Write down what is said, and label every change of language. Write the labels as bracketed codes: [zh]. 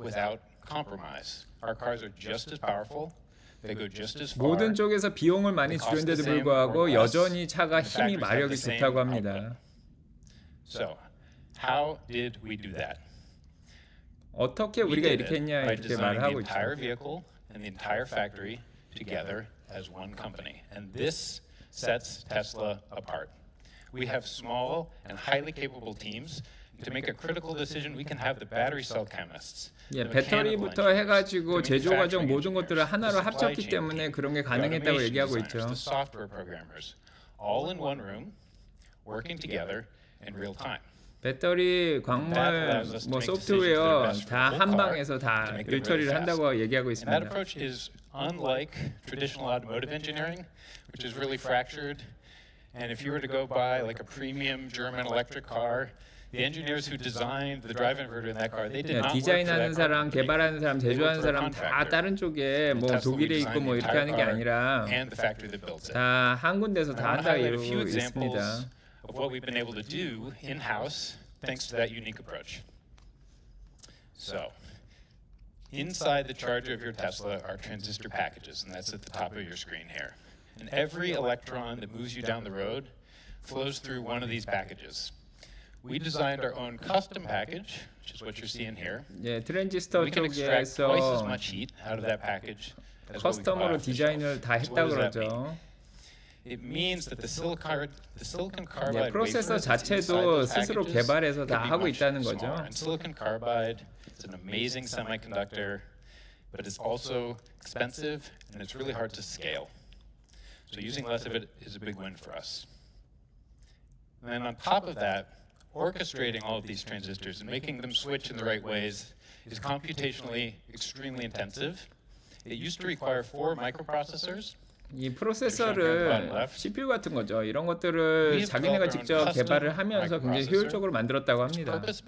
[en] Without compromise. Our cars are just as powerful. They go just as far. [ko] 모든 쪽에서 비용을 많이 줄였는데도 불구하고 여전히 차가 힘이 마력이 좋다고 합니다. [en] So, how did we do that? [ko] 어떻게 우리가 이렇게 했냐 이렇게 말을 하고 있죠. [en] The entire vehicle and the entire factory together as one company. And this sets Tesla apart. We have small and highly capable teams. To make a critical decision, we can have the battery cell chemists. [ko] 예, 배터리부터 해가지고 제조 과정 모든 것들을 하나로 합쳤기 때문에 그런 게 가능했다고 얘기하고 있죠. [en] Software programmers, all in one room, working together in real time. [ko] 배터리, 광물, 뭐 소프트웨어 다 한 방에서 다 일처리를 한다고 얘기하고 있습니다. [en] That approach is unlike traditional automotive engineering, which is really fractured. And if you were to go buy like a premium German electric car. The engineers who designed the drive inverter in that car, they did not work for that company. [ko] 디자인하는 사람, 개발하는 사람, 제조하는 사람 다 다른 쪽에 뭐 독일에 있고 뭐 이렇게 하는 게 아니라 다 한 군데서 다 한다 이러고 있습니다. [en] Of what we've been able to do in-house thanks to that unique approach. So, inside the charger of your Tesla are transistor packages, and that's at the top of your screen here. And every electron that moves you down the road flows through one of these packages. We designed our own custom package, which is what you're seeing here. [ko] 예, 트랜지스터 쪽에서 [en] we can extract twice as much heat out of that package as what we buy off the shelf. So what does that mean? It means that the silicon carbide [ko] 예, 프로세서 자체도 스스로 개발해서 다 하고 있다는 거죠. [en] And silicon carbide is an amazing semiconductor, but it's also expensive and it's really hard to scale. So using less of it is a big win for us. And then on top of that, orchestrating all of these transistors and making them switch in the right ways is computationally extremely intensive. It used to require 4 microprocessors [ko] 이 프로세서를 CPU 같은 거죠. 이런 것들을 자기네가 직접 개발을 하면서 굉장히 효율적으로 만들었다고 합니다.